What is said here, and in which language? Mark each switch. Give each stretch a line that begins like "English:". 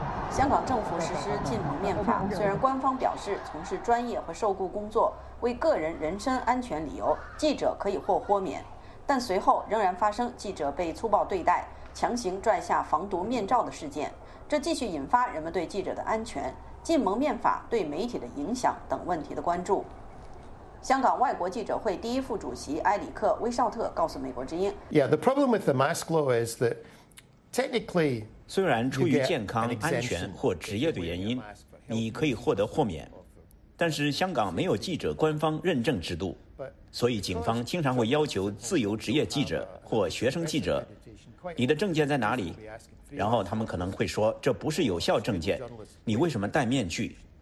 Chinese: 香港政府实施禁蒙面法，虽然官方表示从事专业和受雇工作为个人人身安全理由，记者可以获豁免，但随后仍然发生记者被粗暴对待、强行拽下防毒面罩的事件，这继续引发人们对记者的安全、禁蒙面法对媒体的影响等问题的关注。香港外国记者会第一副主席埃里克·威绍特告诉美国之音
English: ：“Yeah, the problem with the mask law is that technically.”
Chinese: 虽然出于健康、安全或职业的原因，你可以获得豁免，但是香港没有记者官方认证制度，所以警方经常会要求自由职业记者或学生记者，你的证件在哪里？然后他们可能会说，这不是有效证件，你为什么戴面具？